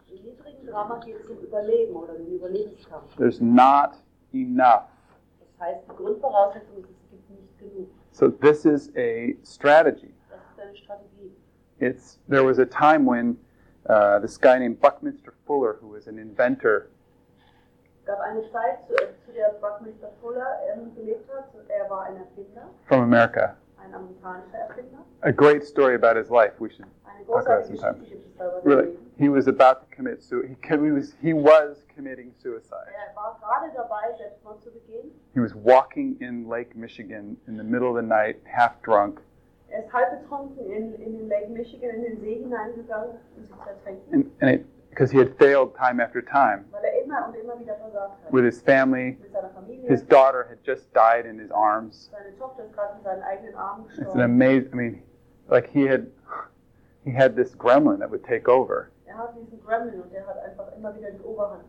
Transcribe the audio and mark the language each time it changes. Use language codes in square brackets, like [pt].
[de] Im niedrigen Drama geht es um Überleben oder den Überlebenskampf. [en] There's not enough. [de] Das heißt, die Grundvoraussetzung ist, es gibt nicht genug. [en] So this is a strategy. [de] Das ist eine Strategie. [en] There was a time when this guy named Buckminster Fuller, who was an inventor. [de] Gab eine Zeit, zu der Buckminster Fuller gelebt hat. Er war ein Erfinder. [en] From America. [de] Ein amerikanischer Erfinder. [en] A great story about his life. We should talk about sometime. Really, he was about to commit suicide. He was committing suicide. [de] Er war gerade dabei, Selbstmord zu begehen. [en] He was walking in Lake Michigan in the middle of the night, half drunk. [de] Er ist halb betrunken in Lake Michigan in den See hineingegangen, um sich zu ertränken. [en] And because he had failed time after time. [de] Weil er immer und immer wieder versagt hat. [en] With his family. [de] Mit seiner Familie. [en] His daughter had just died in his arms. [de] Seine Tochter ist gerade in seinen eigenen Armen gestorben. [en] It's an amazing. I mean, like he had this gremlin that would take over. [de] Er hat diesen Gremlin und er hat einfach immer wieder die Oberhand.